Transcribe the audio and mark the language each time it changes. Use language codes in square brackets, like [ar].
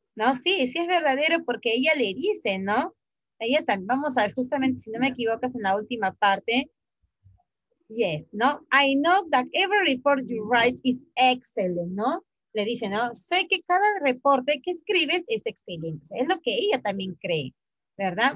[es] No, sí, sí es verdadero porque ella le dice, ¿no? Ella también, vamos a ver, justamente, si no me equivocas en la última parte. [en] Yes, ¿no? I know that every report you write is excellent, ¿no? [es] Le dice, ¿no? Sé que cada reporte que escribes es excelente. O sea, es lo que ella también cree, ¿verdad?